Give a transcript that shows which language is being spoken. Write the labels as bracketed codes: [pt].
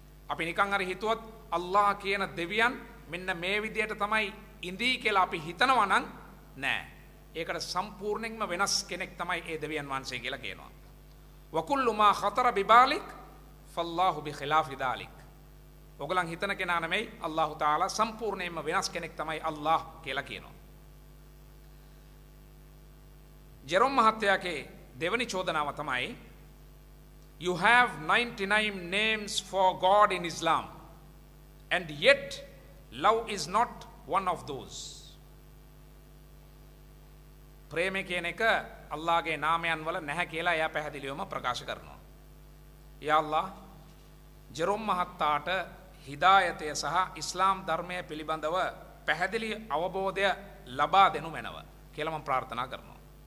[si] අපි නිකන් අර හිතුවත් අල්ලාහ කියන දෙවියන් මෙන්න මේ විදියට තමයි ඉඳී කියලා අපි හිතනවා නම් නෑ. ඒකට සම්පූර්ණයෙන්ම වෙනස් කෙනෙක් තමයි ඒ දෙවියන් වහන්සේ කියලා කියනවා. [ar] වකුල්ලු මා ඛතර බිබාලික් ෆල්ලාහු බිඛිලාෆි ධාලික්. [si] ඔගලන් හිතන කෙනා නෙමෙයි අල්ලාහු තාලා, සම්පූර්ණයෙන්ම වෙනස් කෙනෙක් තමයි අල්ලාහ කියලා කියනවා. ජෙරොම් මහත්තයාගේ දෙවනි චෝදනාව තමයි, [en] You have 99 names for God in Islam, and yet love is not one of those. [si] ප්‍රේම කියන එක අල්ලාහගේ නාමයන් වල නැහැ කියලා එයා පැහැදිලිවම ප්‍රකාශ කරනවා. යා අල්ලාහ්, ජෙරොම් මහත්තයාට හිදායතය සහ ඉස්ලාම් ධර්මය පිළිබඳව පැහැදිලි අවබෝධය ලබා දෙනු මැනව කියලා මම ප්‍රාර්ථනා කරනවා.